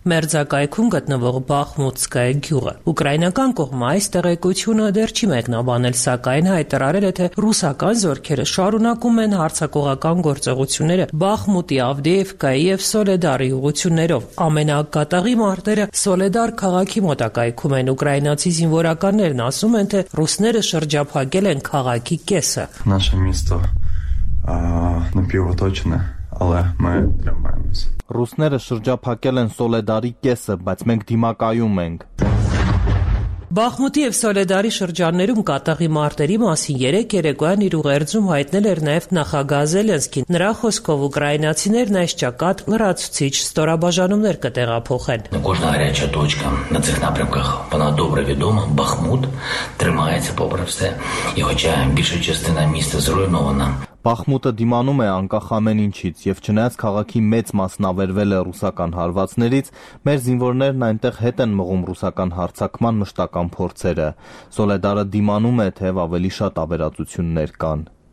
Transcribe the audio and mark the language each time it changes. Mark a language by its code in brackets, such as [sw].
[hy] մերձակայքում գտնվող Բախմուտսկայ գյուղը։ Ուկրաինական կողմը այս տեղեկությունը դեռ չի մեկնաբանել, սակայն հայտարարել է, թե ռուսական զորքերը շարունակում են հարձակողական գործողությունները Բախմուտի, Ավդիևկայի և Սոլեդարի ուղություններով։ Ամենակատաղի մարտերը Սոլեդար քաղաքի մոտակայքում են։ Ուկրաինացի զինվորականներն ասում են, թե ռուսները շրջափակել են քաղաքի կեսը։ [uk] Наше місто напівоточене, але ми тримаємося. [hy] Ռուսները շրջափակել են Սոլեդարի կեսը, բայց մենք դիմակայում ենք։ Բախմուտի և Սոլեդարի շրջաններում կատաղի մարտերի մասին 3 երեկոյան իր ուղերձում հայտնել էր նաև նախագահ Զելենսկին։ Նրա խոսքով ուկրաինացիներն այս ճակատ լրացուցիչ ստորաբաժանումներ կտեղափոխեն։ [uk] Кожна гаряча точка на цих напрямках, вона добре відома, Бахмут тримається попри все, і хоча більша частина міста зруйнована. [hy] Բախմուտը դիմանում է անկախ ամեն ինչից եւ չնայած քաղաքի մեծ մասն ավերվել է ռուսական հարվածներից, մեր զինվորներն այնտեղ հետ են մղում ռուսական հարձակման մշտական փորձերը։ Սոլեդարը դիմանում է, թեև ավելի շատ ավերածություններ կան։